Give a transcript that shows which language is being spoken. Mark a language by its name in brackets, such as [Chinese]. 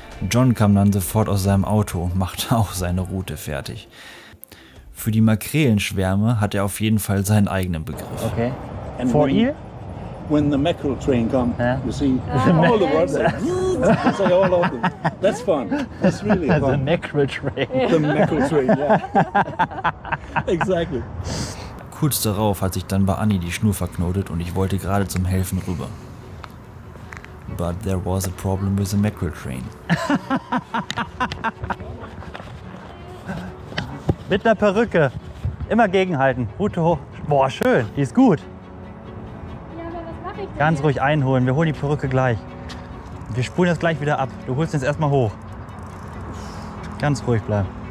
[German] John kam dann sofort aus seinem Auto und machte auch seine Route fertig. Für die Makrelenschwärme hat er auf jeden Fall seinen eigenen Begriff. [English] Okay. And for eel? When the mackerel train comes, you see, the all the words say all of them. That's fun. That's really fun. The mackerel train. The mackerel train, yeah. Exactly. [German] Kurz darauf hat sich dann bei Anni die Schnur verknotet und ich wollte gerade zum Helfen rüber. [English] But there was a problem with the mackerel train. [German] Mit einer Perücke. Immer gegenhalten. Hut hoch. Boah, schön. Die ist gut. Ja, aber was mache ich denn? Ganz ruhig einholen. Wir holen die Perücke gleich. Wir spulen das gleich wieder ab. Du holst den jetzt erstmal hoch. Ganz ruhig bleiben.